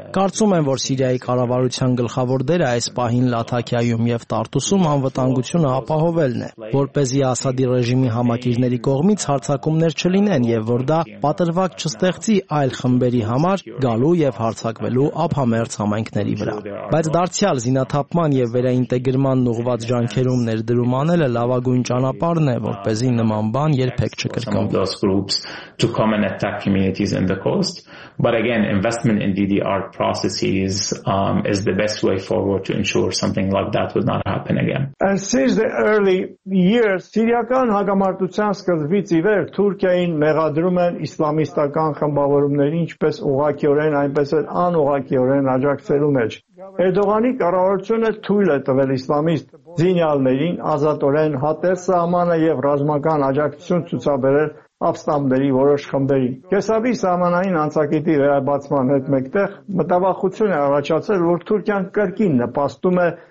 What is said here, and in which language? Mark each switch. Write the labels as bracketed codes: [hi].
[hy] Կարծում եմ, որ Սիրիայի կառավարության գլխավոր դերը այս պահին Լաթաքիայում և Տարտուսում անվտանգությունը ապահովելն է, որպեսզի Ասադի ռեժիմի համակիրների կողմից հարձակումներ չլինեն և որ դա պատրվակ չստեղծի այլ խմբերի համար գալու և հարձակվելու ապամերձ համայնքների վրա։ Բայց դարձյալ զինաթափման և վերաինտեգրման ուղված ջանքերում ներդրում անելը լավագույն ճանապարհն է, որպեսզի նման բան երբեք չկրկնվի։ [en] But again, investment in DDR processes is the best way forward to ensure something like that would not happen again. And since the early years, [hy] Սիրիական հակամարտության սկզբից ի վեր Թուրքիային մեղադրում են իսլամիստական խմբավորումներ, ինչպես ուղղակիորեն, այնպես էլ անուղղակիորեն աջակցելու մեջ։ Էրդողանի կառավարությունը թույլ է տվել իսլամիստ զինյալներին ազատորեն հատել սահմանը և ռազմական աջակցություն ցուցաբերել Աբստամբերի որոշ խմբերի։ Կեսաբի սահմանային անցակետի վերաբացման հետ մեկտեղ մտավախություն է առաջացել, որ Թուրքիան կրկին նպաստում է